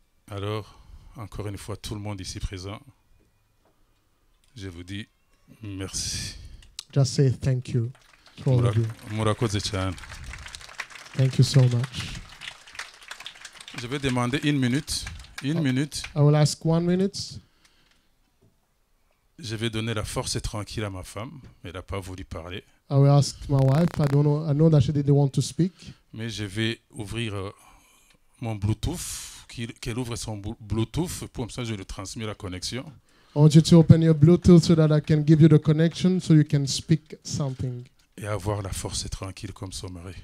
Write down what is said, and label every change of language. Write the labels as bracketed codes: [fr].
[fr] Alors, encore une fois, tout le monde ici présent, je vous dis merci. [en] Just say thank you to all of you. [rw] Murakoze cyane. [en] Thank you so much. [fr] Je vais demander une minute. [en] I will ask 1 minute. [fr] Je vais donner la force et tranquille à ma femme, mais elle n'a pas voulu parler. [en] I will ask my wife. I don't know. I know that she didn't want to speak. [fr] Mais je vais ouvrir mon Bluetooth. Qu'elle ouvre son Bluetooth pour ça je lui transmets la connexion. [en] I want you to open your Bluetooth so that I can give you the connection so you can speak something. [fr] Et avoir la force et tranquille comme son mari.